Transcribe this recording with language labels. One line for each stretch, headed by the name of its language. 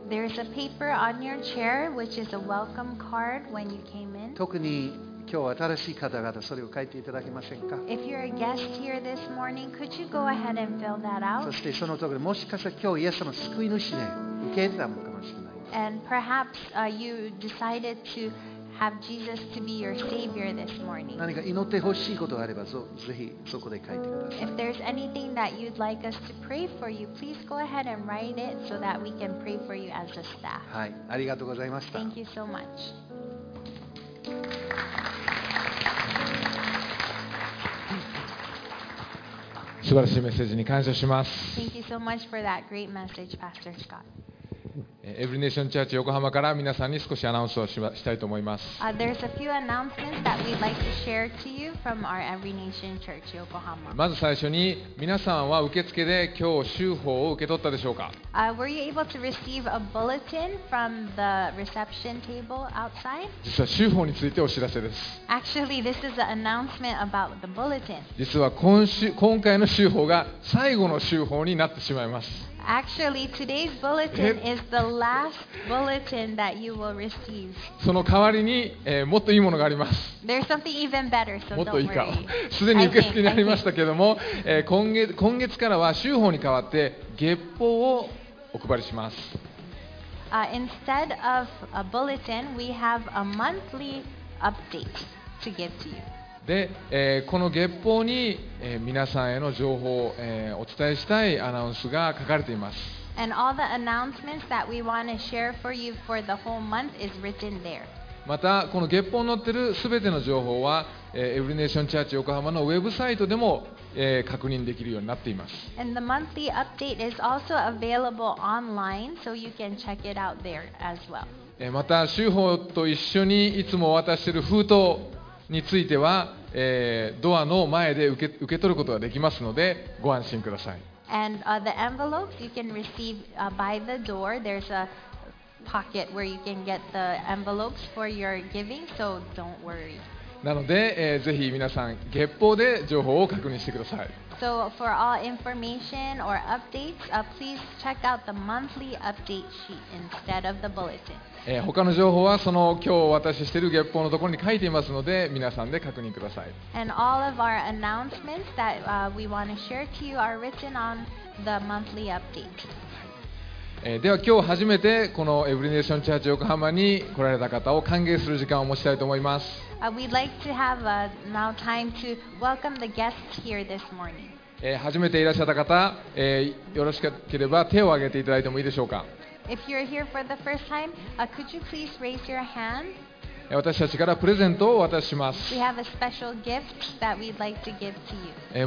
English: There is a paper on your chair which is a welcome card when you came in.
Japanese: 特に今日新しい方々、それを書いていただけませんか。
English: If you're a guest here this morning, could you go ahead and fill that out?
Japanese: そしてそのところで、もしかしたら今日イエス様の救い主で受け入れたのかもしれない。
English: And perhaps you decided to have Jesus to be your Savior this morning.
Japanese: 何か祈ってほしいことがあれば、ぜひそこで書いてください。
English: If there's anything that you'd like us to pray for you, please go ahead and write it so that we can pray for you as a staff.
Japanese: はい、ありがとうございました。
English: Thank you so much.
Japanese: 素晴らしいメッセージに感謝します。
English: Thank you so much for that great message, Pastor Scott.
Japanese: Every Nation Church 横浜から皆さんに少しアナウンスをしたいと思います。
English: There's a few announcements that we'd like to share to you from our Every Nation Church 横浜。
Japanese: まず最初に、皆さんは受付で今日週報を受け取ったでしょうか。
English: Were you able to receive a bulletin from the reception table outside?
Japanese: 実は週報についてお知らせです。
English: Actually, this is an announcement about the bulletin.
Japanese: 実は今回の週報が最後の週報になってしまいます。
English: Actually, today's bulletin is the last bulletin that you will receive.
Japanese: その代わりに、もっといいものがあります。
English: There's something even better, so don't worry.
Japanese: もっといいか。すでに受付にありましたけれども、今月からは週報に代わって月報をお配りします。
English: Instead of a bulletin, we have a monthly update to give to you.
Japanese: で、この月報に、皆さんへの情報を、お伝えしたいアナウンスが書かれています。
English: And all the announcements that we want to share for you for the whole month is written there.
Japanese: またこの月報に載っているすべての情報は、エブリネーションチャーチ横浜のウェブサイトでも、確認できるようになっています。
English: And the monthly update is also available online, so you can check it out there as well.
Japanese: また週報と一緒にいつも渡している封筒については、ドアの前で受け取ることができますのでご安心ください。
English: And the envelopes you can receive by the door. There's aPocket where you can get the envelopes for your giving, so don't worry.
Japanese: なので、ぜひ皆さん月報で情報を確認してください。
English: So for all information or updates, please check out the monthly update sheet instead of the bulletin.
Japanese: 他の情報はその今日お渡ししている月報のところに書いていますので、皆さんで確認ください。
English: And all of our announcements that we want to share to you are written on the monthly update.
Japanese: では今日初めてこのエブリネーションチャーチ横浜に来られた方を歓迎する時間を持ちたいと思います。初めていらっしゃった方、よろしければ手を挙げていただいてもいいでしょうか。
English: If you're here for the first time, could you please raise your hand?
Japanese: 私たちからプレゼントをお渡しします。
English: We have a special gift that we'd like to give to you.